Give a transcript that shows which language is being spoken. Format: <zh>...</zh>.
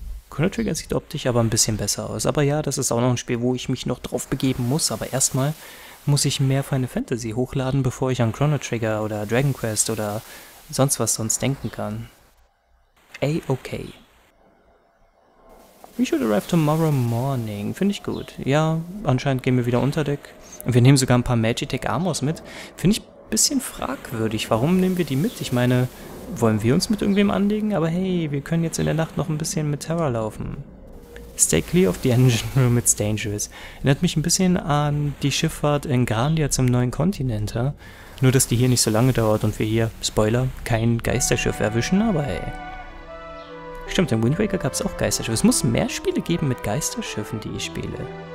<de>Chrono Trigger sieht optisch aber ein bisschen besser aus. Aber ja, das ist auch noch ein Spiel, wo ich mich noch drauf begeben muss. Aber erstmal muss ich mehr Final Fantasy hochladen, bevor ich an Chrono Trigger oder Dragon Quest oder sonst was sonst denken kann. Ey, okay.</de> <en>We should arrive tomorrow morning.</en> <de>Finde ich gut. Ja, anscheinend gehen wir wieder unter Deck. Und wir nehmen sogar ein paar Magitek Armors mit. Finde ich ein bisschen fragwürdig. Warum nehmen wir die mit? Ich meine, wollen wir uns mit irgendwem anlegen? Aber hey, wir können jetzt in der Nacht noch ein bisschen mit Terra laufen.</de> <en>Stay clear of the engine room, it's dangerous.</en> <de>Erinnert mich ein bisschen an die Schifffahrt in Grandia zum neuen Kontinent, ja? Nur, dass die hier nicht so lange dauert und wir hier, Spoiler, kein Geisterschiff erwischen, aber hey. Stimmt, in Wind Waker gab es auch Geisterschiffe. Es muss mehr Spiele geben mit Geisterschiffen, die ich spiele.</de>